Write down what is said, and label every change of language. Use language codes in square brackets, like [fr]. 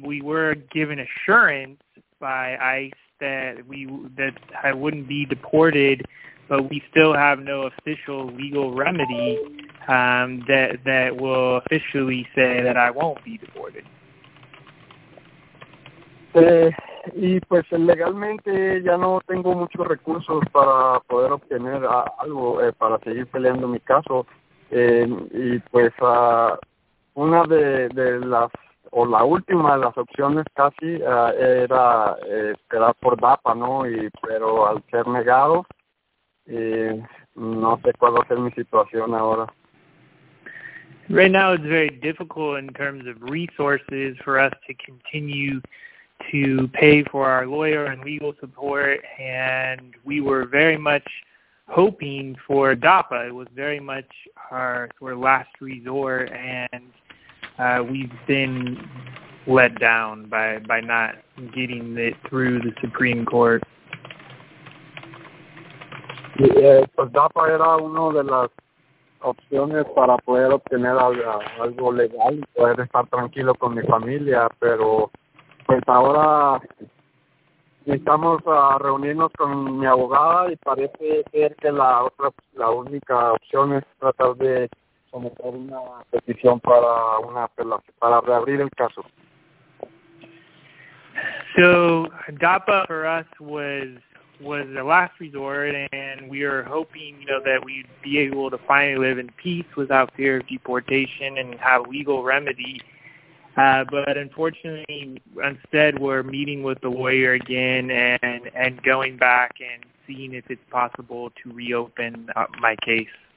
[en] We were given assurance by ICE that I wouldn't be deported, but we still have no official legal remedy that will officially say that I won't be deported. [es] Y pues legalmente ya no tengo muchos recursos para poder obtener algo para seguir peleando mi caso, y pues una de las, o la última de las opciones casi, era esperar por DAPA, ¿no? Y pero al ser negado, no sé cuál va a ser mi situación ahora. [en] Right now it's very difficult in terms of resources for us to continue to pay for our lawyer and legal support, and we were very much hoping for DAPA. It was very much our sort of last resort, and we've been let down by not getting it through the Supreme Court. [es] Pues DAPA era una de las opciones para poder obtener algo legal, poder estar tranquilo con mi familia, pero pues ahora estamos a reunirnos con mi abogada y parece ser que la única opción es tratar de someter una petición para reabrir el caso. [en] So DAPA for us was the last resort, and we are hoping, you know, that we'd be able to finally live in peace without fear of deportation and have legal remedy. But unfortunately, instead, we're meeting with the lawyer again and going back and seeing if it's possible to reopen my case.